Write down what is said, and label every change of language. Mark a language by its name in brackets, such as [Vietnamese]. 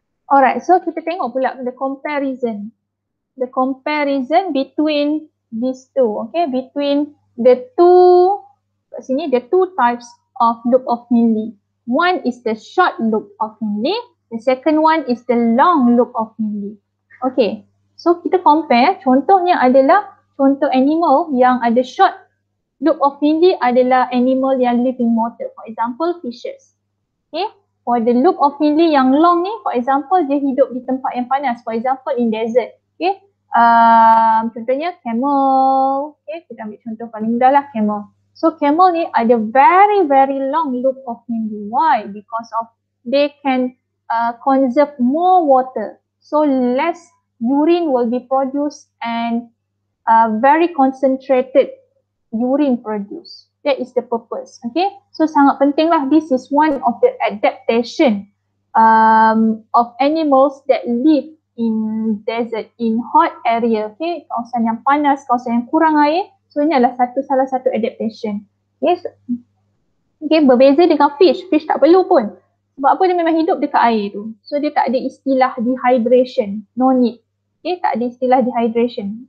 [English] Alright, so [Malay] kita tengok pula [English] the comparison. The comparison between these two. Okay, between the two, [Malay] kat sini, [English] the two types of loop of Henle. One is the short loop of Henle. The second one is the long loop of Henle. Okay. [Malay] So kita compare, contohnya adalah contoh animal yang ada short loop of Henle adalah animal yang [English] live in water. For example, fishes. Okay, for the loop of Henle yang long ni, for example, [Malay] dia hidup di tempat yang panas. [English] For example, in desert. Okay, [Malay] contohnya [English] camel. Okay, [Malay] kita ambil contoh paling mudah lah, [English] camel. So camel [Malay] ni ada [English] very very long loop of Henle. Why? Because of they can conserve more water. So less urine will be produced and very concentrated urine produced. That is the purpose. [Malay] Okay, so sangat penting lah. [English] This is one of the adaptation of animals that live in desert, in hot area. [Malay] Okay, kawasan yang panas, kawasan yang kurang air. So ini adalah salah satu adaptation. Yes. Okay, berbeza dengan fish. Fish tak perlu pun. Sebab apa, dia memang hidup dekat air tu. So dia tak ada istilah dehydration. [English] No need. [Malay] Okay, tak ada istilah dehydration.